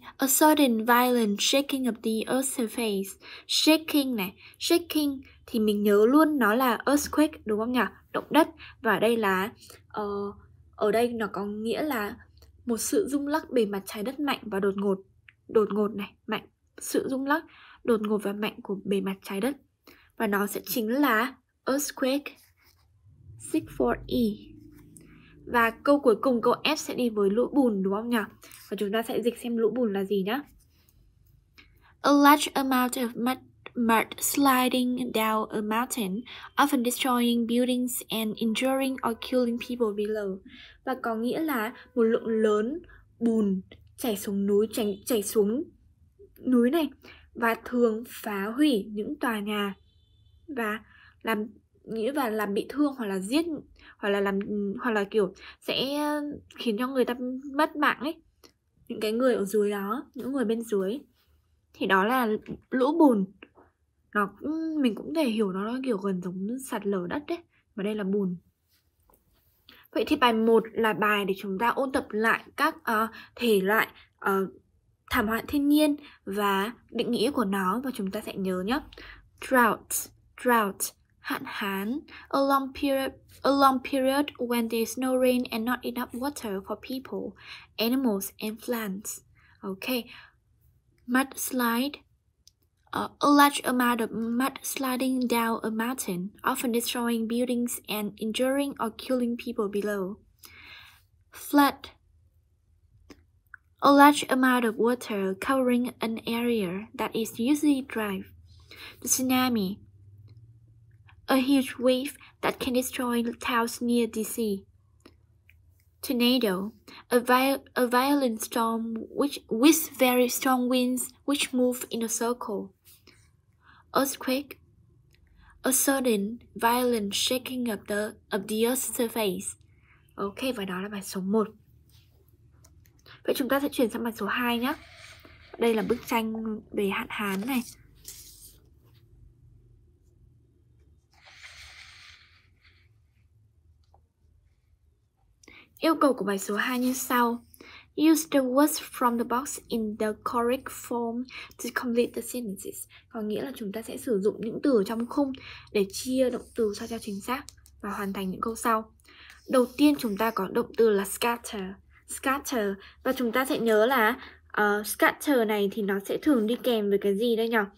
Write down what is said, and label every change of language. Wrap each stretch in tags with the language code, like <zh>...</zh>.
<en>A sudden violent shaking of the earth's surface.</en> <vi>Shaking này, shaking thì mình nhớ luôn nó là earthquake đúng không nhỉ? Động đất. Và đây là ở đây nó có nghĩa là một sự rung lắc bề mặt trái đất mạnh và đột ngột này, mạnh, sự rung lắc đột ngột và mạnh của bề mặt trái đất. Và nó sẽ chính là earthquake. 64E. Và câu cuối cùng, câu F sẽ đi với lũ bùn đúng không nhỉ? Và chúng ta sẽ dịch xem lũ bùn là gì nhá.</vi> <en>A large amount of mud sliding down a mountain, often destroying buildings and injuring or killing people below.</en> <vi>Và có nghĩa là một lượng lớn bùn chảy xuống núi, chảy xuống núi này và thường phá hủy những tòa nhà và làm nghĩa và làm bị thương hoặc là giết hoặc là làm hoặc là kiểu sẽ khiến cho người ta mất mạng ấy, những cái người ở dưới đó, những người bên dưới. Thì đó là lũ bùn. Nó mình cũng thể hiểu nó kiểu gần giống sạt lở đất đấy, mà đây là bùn. Vậy thì bài 1 là bài để chúng ta ôn tập lại các thể loại thảm họa thiên nhiên và định nghĩa của nó, và chúng ta sẽ nhớ nhé.</vi> <en>Drought,</en> <vi>hạn hán,</vi> <en>a long period when there's no rain and not enough water for people, animals and plants. Okay. Mudslide, a large amount of mud sliding down a mountain, often destroying buildings and injuring or killing people below. Flood, a large amount of water covering an area that is usually dry. The tsunami, a huge wave that can destroy towns near the sea. Tornado, a violent storm with very strong winds which move in a circle. Earthquake, a sudden violent shaking of the earth's surface.</en> <vi>Okay, và đó là bài số 1. Vậy chúng ta sẽ chuyển sang bài số 2 nhé. Đây là bức tranh về hạn hán này. Yêu cầu của bài số 2 như sau.</vi> <en>Use the words from the box in the correct form to complete the sentences.</en> <vi>Có nghĩa là chúng ta sẽ sử dụng những từ trong khung để chia động từ sao cho chính xác và hoàn thành những câu sau. Đầu tiên chúng ta có động từ là scatter. Và chúng ta sẽ nhớ là scatter này thì nó sẽ thường đi kèm với cái gì đây nhỉ?</vi>